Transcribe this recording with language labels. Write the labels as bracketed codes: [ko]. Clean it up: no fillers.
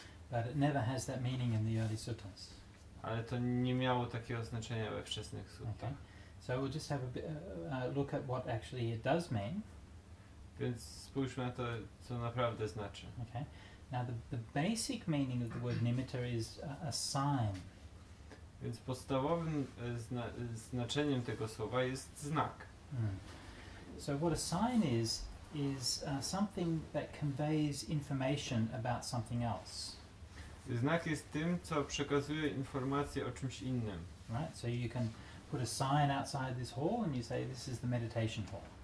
[en] But it never has that meaning in the early suttas. [pl] Ale to nie miało takiego znaczenia we wczesnych suttach. [en] Okay. So we'll just have a bit, look at what actually it does mean. [pl] Więc spójrzmy na to, co naprawdę znaczy. [en] Okay. Now the basic meaning of the word nimitta is a sign. [pl] Więc podstawowym znaczeniem tego słowa jest znak. Mm. [en] So what a sign is something that conveys information about something else. [pl] Znak jest tym, co przekazuje informację o czymś innym. [en] Right? So you can put a sign outside this hall and you say this is the meditation hall.